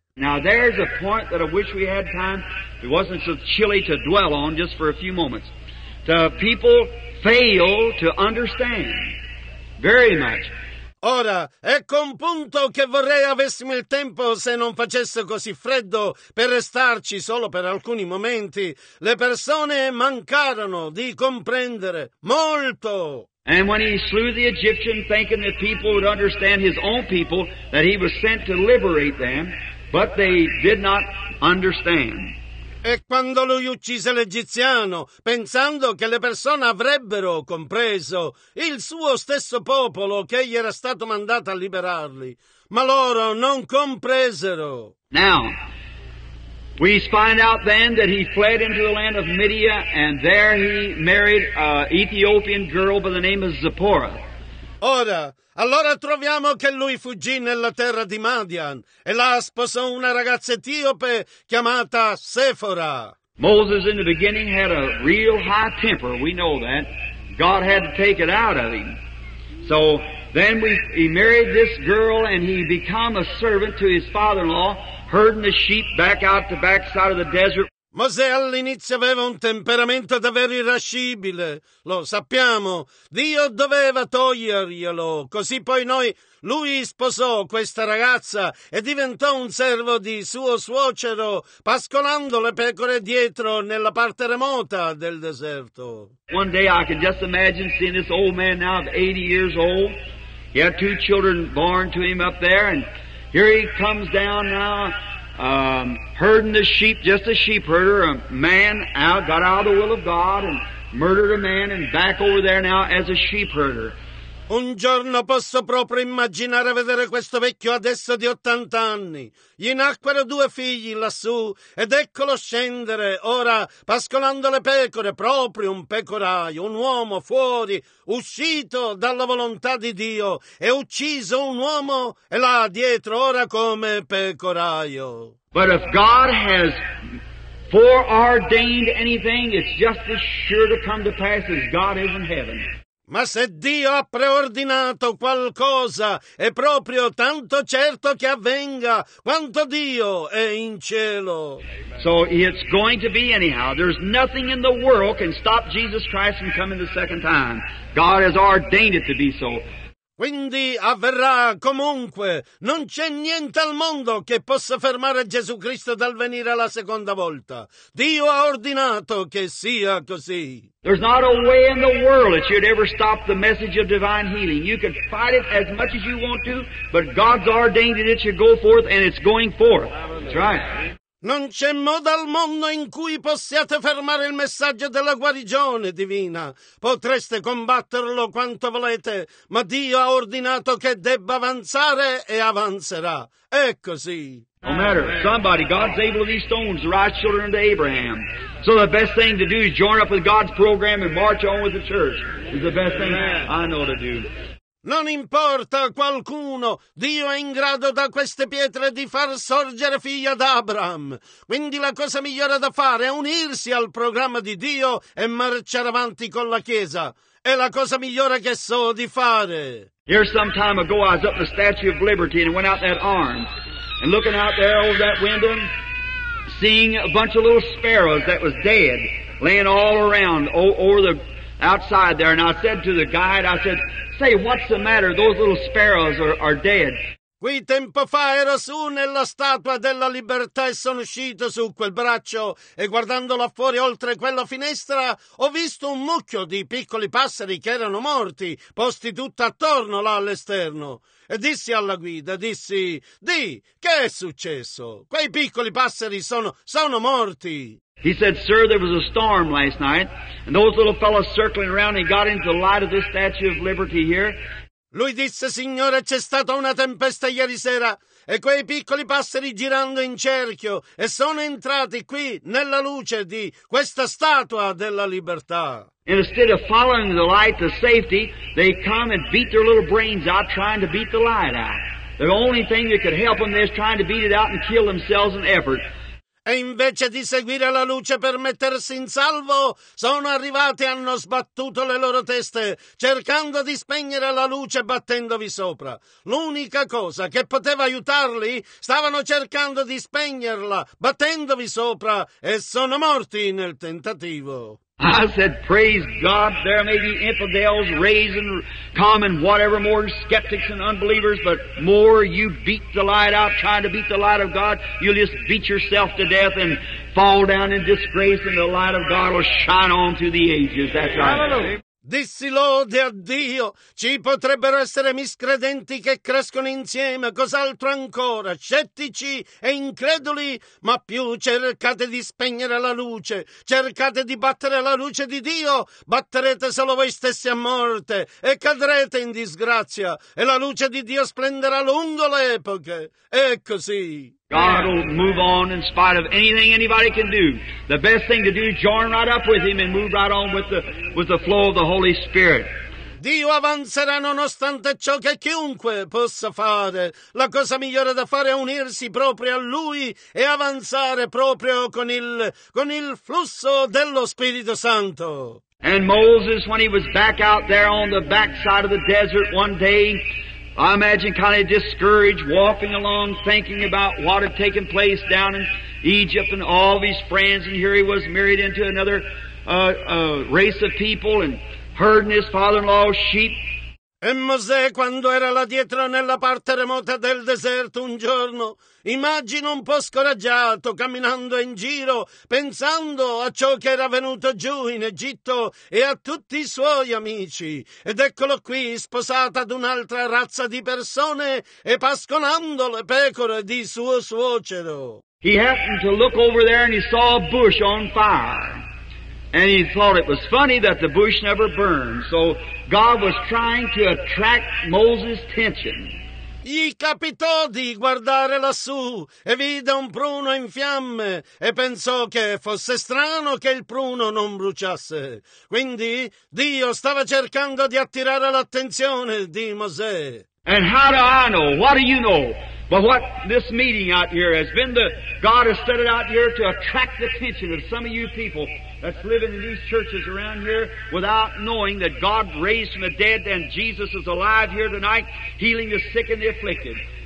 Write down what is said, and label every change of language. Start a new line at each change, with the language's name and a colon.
English: Now there's a point that I wish we had time, it wasn't so chilly to dwell on just for a few moments. The people fail to understand. Very much.
Italian: Ora, ecco un punto che vorrei avessimo il tempo se non facesse così freddo per restarci solo per alcuni momenti. Le persone mancarono di comprendere molto.
English: And when he slew the Egyptian, thinking that people would understand his own people, that he was sent to liberate them, but they did not understand.
Italian: E quando lui uccise l'egiziano, pensando che le persone avrebbero compreso, il suo stesso popolo che gli era stato mandato a liberarli, ma loro non compresero.
English: Now, we find out then that he fled into the land of Midia, and there he married an Ethiopian girl by the name of Zipporah.
Italian: Ora, allora troviamo che lui fuggì nella terra di Madian e là sposò una ragazza etiope chiamata Sephora.
English: Moses in the beginning had a real high temper, we know that. God had to take it out of him. So then he married this girl and he became a servant to his father-in-law, herding the sheep back out the backside of the desert.
Italian: Mosè all'inizio aveva un temperamento davvero irascibile, lo sappiamo, Dio doveva toglierglielo, così poi lui sposò questa ragazza e diventò un servo di suo suocero, pascolando le pecore dietro nella parte remota del deserto.
English: One day I can just imagine seeing this old man now of 80 years old, he had two children born to him up there, and here he comes down now. Herding the sheep, just a sheep herder, a man out, got out of the will of God and murdered a man and back over there now as a sheep herder.
Italian: Un giorno posso proprio immaginare vedere questo vecchio adesso di 80 anni. Gli nacquero due figli lassù ed eccolo scendere, ora pascolando le pecore, proprio un pecoraio, un uomo fuori, uscito dalla volontà di Dio, e ucciso un uomo e là dietro ora come pecoraio.
English: But if God has foreordained anything, it's just as sure to come to pass as God is in heaven.
Italian: Ma se Dio ha preordinato qualcosa, è proprio tanto certo che avvenga quanto Dio è in cielo.
English: So it's going to be anyhow. There's nothing in the world can stop Jesus Christ from coming the second time. God has ordained it to be so.
Italian: Quindi avverrà comunque. Non c'è niente al mondo che possa fermare Gesù Cristo dal venire la seconda volta. Dio ha ordinato che sia così.
English: There's not a way in the world that you'd ever stop the message of divine healing. You could fight it as much as you want to, but God's ordained it should go forth, and it's going forth. That's right.
Italian: Non c'è modo al mondo in cui possiate fermare il messaggio della guarigione divina. Potreste combatterlo quanto volete, ma Dio ha ordinato che debba avanzare e avanzerà. È così.
English: No matter, somebody, God's able of these stones to rise children unto Abraham. So the best thing to do is join up with God's program and march on with the church. It's the best thing I know to do.
Italian: Non importa qualcuno, Dio è in grado da queste pietre di far sorgere figli ad Abraham. Quindi la cosa migliore da fare è unirsi al programma di Dio e marciare avanti con la Chiesa. È la cosa migliore che so di fare.
English: Here some time ago I was up the Statue of Liberty and went out that arm. And looking out there over that window, seeing a bunch of little sparrows that was dead, laying all around over the outside there. And I said to the guide, I said, say, what's the matter? Those little sparrows are dead.
Italian: Qui tempo fa ero su nella Statua della Libertà e sono uscito su quel braccio e guardandola fuori oltre quella finestra ho visto un mucchio di piccoli passeri che erano morti, posti tutto attorno là all'esterno. E dissi alla guida, dissi, di, che è successo? Quei piccoli passeri sono morti.
English: He said, sir, there was a storm last night and those little fellows circling around, he got into the light of this Statue of Liberty here.
Italian: Lui disse, signore, c'è stata una tempesta ieri sera e quei piccoli passeri girando in cerchio e sono entrati qui nella luce di questa Statua della Libertà.
English: Instead of following the light to safety, they come and beat their little brains out trying to beat the light out. The only thing that could help them is trying to beat it out and kill themselves in effort.
Italian: E invece di seguire la luce per mettersi in salvo, sono arrivati e hanno sbattuto le loro teste, cercando di spegnere la luce battendovi sopra. L'unica cosa che poteva aiutarli, stavano cercando di spegnerla battendovi sopra e sono morti nel tentativo.
English: I said, praise God, there may be infidels, raised and common, whatever, more skeptics and unbelievers, but more you beat the light out, trying to beat the light of God, you'll just beat yourself to death and fall down in disgrace, and the light of God will shine on through the ages. That's right.
Italian: Dissi lode a Dio, ci potrebbero essere miscredenti che crescono insieme, cos'altro ancora, scettici e increduli, ma più cercate di spegnere la luce, cercate di battere la luce di Dio, batterete solo voi stessi a morte e cadrete in disgrazia e la luce di Dio splenderà lungo le epoche. È così.
English: God will move on in spite of anything anybody can do. The best thing to do is join right up with Him and move right on with the flow of the Holy Spirit.
Italian: Dio avanzerà nonostante ciò che chiunque possa fare. La cosa migliore da fare è unirsi proprio a Lui e avanzare proprio con il flusso dello Spirito Santo.
English: And Moses, when he was back out there on the backside of the desert one day, I imagine kind of discouraged, walking along, thinking about what had taken place down in Egypt and all of his friends, and here he was married into another race of people and herding his father-in-law's sheep.
Italian: E Mosè, quando era là dietro nella parte remota del deserto un giorno, immagino un po' scoraggiato, camminando in giro, pensando a ciò che era venuto giù in Egitto e a tutti i suoi amici. Ed eccolo qui, sposata ad un'altra razza di persone e pascolando le pecore di suo suocero.
English: He happened to look over there and he saw a bush on fire. And he thought it was funny that the bush never burned. So God was trying to attract Moses' attention.
Italian: Gli capitò di guardare lassù e vide un pruno in fiamme e pensò che fosse strano che il pruno non bruciasse. Quindi Dio stava cercando di attirare l'attenzione di Mosè.
English: And how do I know? What do you know? But what this meeting out here has been, the God has set it out here to attract the attention of some of you people that's living in these churches around here without knowing that God raised from the dead and Jesus is alive here tonight, healing the sick and the afflicted.